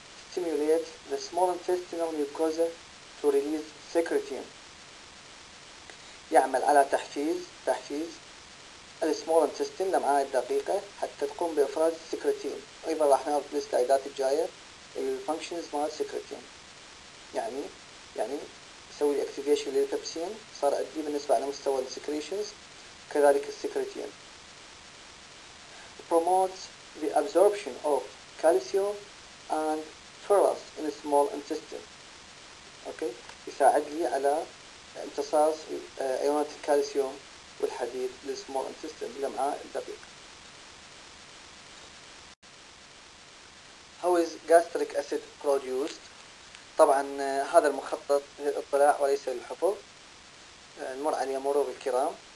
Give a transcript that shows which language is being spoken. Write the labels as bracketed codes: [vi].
[en] Stimulate the small intestinal mucosa to release secretin، [ar] يعمل على تحفيز السمول انتستين لمعاء الدقيقة حتى تقوم بإفراز السكرتين. أيضا راح نعرض الاستعدادات الجاية الفانكشنز مال السكرتين، يعني يسوي الاكتيفيشن للبيبسين، صار عندي بالنسبة على مستوى السكريشنز كذلك السكرتين. [en] Promotes the absorption of calcium and ferrous in the small intestine. [ar] اوكي، يساعد لي على امتصاص ايونات الكالسيوم والحديد للسمول انتستين لمعاء الدقيق. [en] How is gastric acid produced؟ [ar] طبعا هذا المخطط للاطلاع وليس للحفظ، نمر عليه مرور الكرام.